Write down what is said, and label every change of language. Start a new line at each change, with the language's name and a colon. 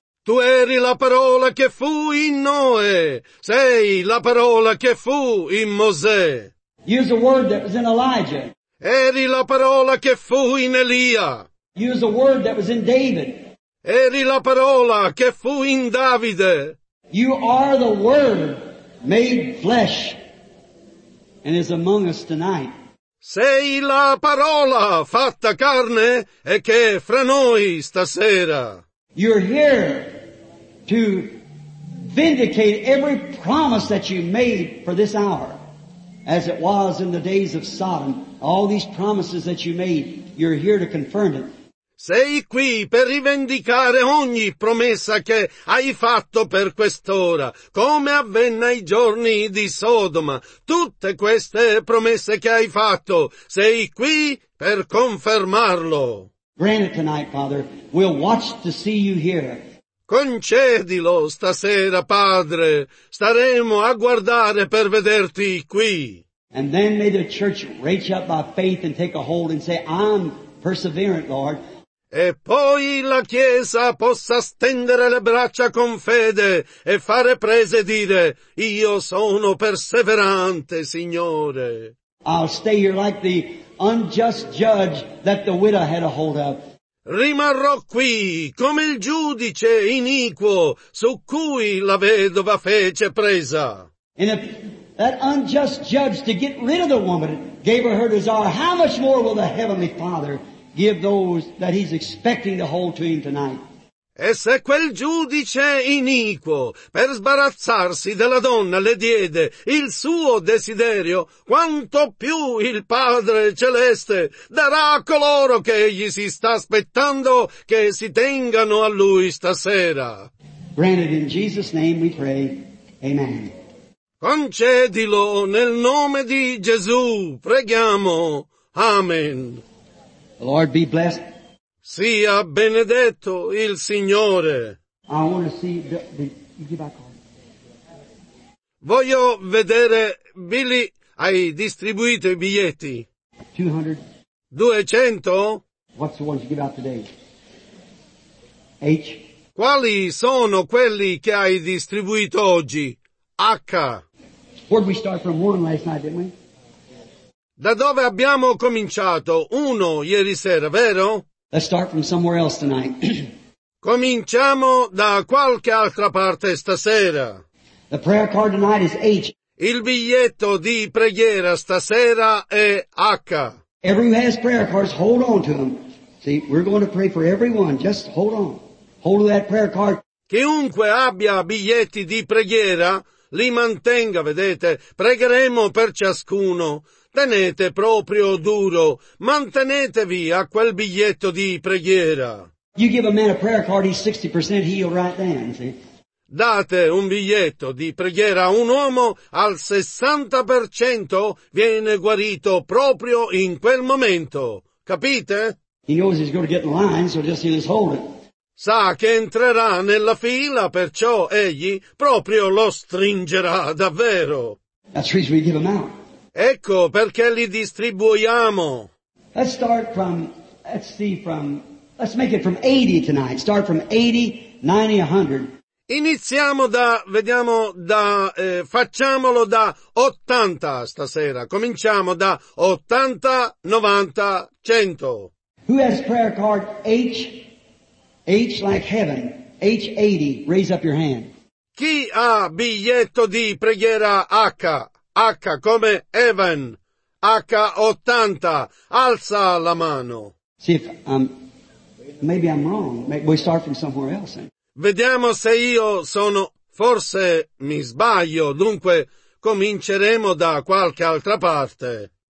Italian: Tu eri la parola che fu in Noè, sei la parola che fu in Mosè.
English: Use the word that was in Elijah.
Italian: Eri la parola che fu in Elia.
English: Use the word that was in David.
Italian: Eri la parola che fu in Davide.
English: You are the word made flesh and is among us tonight.
Italian: Sei la parola fatta carne e che è fra noi stasera.
English: You're here to vindicate every promise that you made for this hour, as it was in the days of Sodom, all these promises that you made, you're here to confirm it.
Italian: Sei qui per rivendicare ogni promessa che hai fatto per quest'ora, come avvenne ai giorni di Sodoma. Tutte queste promesse che hai fatto, sei qui per confermarlo.
English: Grant it tonight, Father. We'll watch to see you here.
Italian: Concedilo stasera, Padre. Staremo a guardare per vederti qui.
English: And then may the church reach up by faith and take a hold and say, I'm perseverant, Lord.
Italian: E poi la Chiesa possa stendere le braccia con fede e fare prese e dire, io sono perseverante, Signore.
English: I'll stay here like the unjust judge that the widow had a hold of.
Italian: Rimarrò qui come il giudice iniquo su cui la vedova fece presa.
English: And if that unjust judge to get rid of the woman gave her her desire. How much more will the Heavenly Father give those that He's expecting to hold to Him tonight?
Italian: E se quel giudice iniquo, per sbarazzarsi della donna, le diede il suo desiderio, quanto più il Padre Celeste darà a coloro che egli si sta aspettando che si tengano a lui stasera.
English: Granted, in Jesus' name we pray. Amen.
Italian: Concedilo nel nome di Gesù, preghiamo. Amen.
English: The Lord be blessed.
Italian: Sia benedetto il Signore.
English: I want to see the get back on.
Italian: Voglio vedere, Billy, hai distribuito i biglietti?
English: 200. 200? What's the one you give out today? H.
Italian: Quali sono quelli che hai distribuito oggi? H.
English: Where did we start from? One last night, didn't we?
Italian: Da dove abbiamo cominciato? Uno ieri sera, vero?
English: Let's start from somewhere else tonight.
Italian: Cominciamo da qualche altra parte stasera.
English: The prayer card tonight is H.
Italian: Il biglietto di preghiera stasera è H.
English: Everyone who has prayer cards, hold on to them. See, we're going to pray for everyone. Just hold on. Hold to that prayer card.
Italian: Chiunque abbia biglietti di preghiera, li mantenga, vedete. Pregheremo per ciascuno. Tenete proprio duro, mantenetevi a quel biglietto di preghiera.
English: You give a man a prayer card, he's 60% healed right then, see?
Italian: Date un biglietto di preghiera a un uomo, al 60% viene guarito proprio in quel momento. Capite?
English: He knows he's going to get in line, so just he just hold it.
Italian: Sa che entrerà nella fila, perciò egli proprio lo stringerà davvero.
English: That's the reason we give him out.
Italian: Ecco perché li distribuiamo.
English: Let's start from, let's make it from 80 tonight. Start from 80, 90, 100.
Italian: Iniziamo da, vediamo da, facciamolo da 80 stasera. Cominciamo da 80, 90, 100.
English: Who has prayer card H? H like heaven. H 80. Raise up your hand.
Italian: Chi ha biglietto di preghiera H? H come Evan, H 80, alza la mano.
English: See if, maybe I'm wrong, maybe we start from somewhere else.
Italian: Vediamo se io sono, forse mi sbaglio, dunque cominceremo da qualche altra parte.